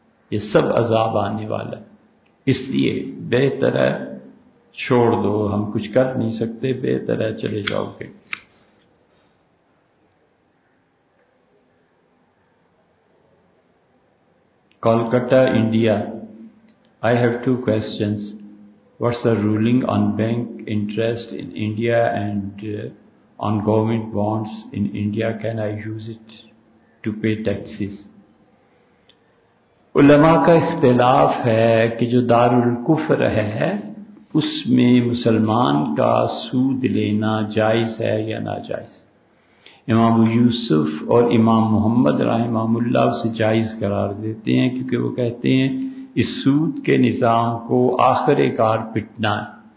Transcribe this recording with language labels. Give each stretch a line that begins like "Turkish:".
Urdu: یہ سب عذاب آنے والا ہے. اس لیے بہتر ہے چھوڑ دو, ہم کچھ کر نہیں سکتے, بہتر ہے چلے جاؤ گے.
English: Kolkata India, I have 2 questions. What's the ruling on bank interest in India and on government bonds in India? Can I use it to pay taxes?
Urdu: علماء کا اختلاف ہے کہ جو دار الکفر ہے اس میں مسلمان کا سود لینا جائز ہے یا ناجائز. امام یوسف اور امام محمد رحمہ اللہ اسے جائز قرار دیتے ہیں, کیونکہ وہ کہتے ہیں اس سود کے نظام کو آخر کار پٹنا ہے.